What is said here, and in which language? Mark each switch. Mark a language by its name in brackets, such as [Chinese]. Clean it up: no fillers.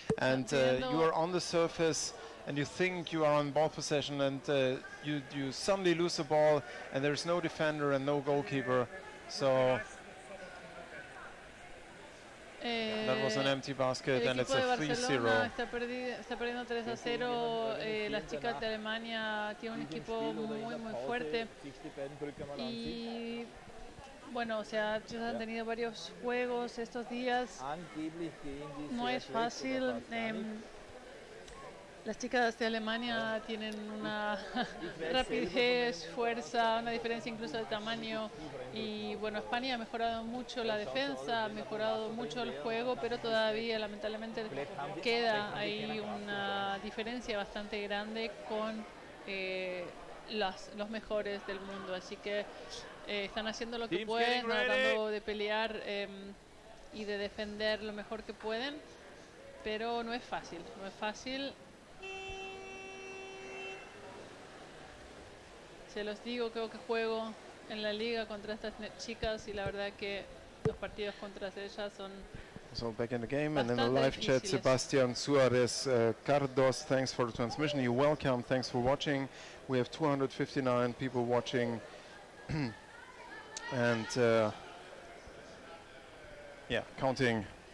[English] And you are on the surface and you think you are on ball possession and you suddenly lose the ball and there's no defender and no goalkeeper. So that was an empty basket and it's a [Spanish] 3-0. Está perdiendo 3-0. Las chicas de Alemania tienen un equipo muy, muy fuerte. Y bueno, o sea, ellos han tenido varios juegos estos días. No es fácil. Las chicas de Alemania tienen una rapidez, fuerza, una diferencia incluso de tamaño. Y bueno, España ha mejorado mucho la defensa, ha mejorado mucho el juego, pero todavía lamentablemente queda ahí una diferencia bastante grande con los mejores del mundo. Así que están haciendo lo que pueden, tratando de pelear y de defender lo mejor que pueden, pero no es fácil, no es fácil. Se los digo, creo que juego en la liga contra estas chicas y la verdad que los partidos contra ellas son [English] So back in the game and in the live chat, Sebastian Suarez Cardos, thanks for the transmission. You're welcome, thanks for watching. We have 259 people watching. And yeah, counting.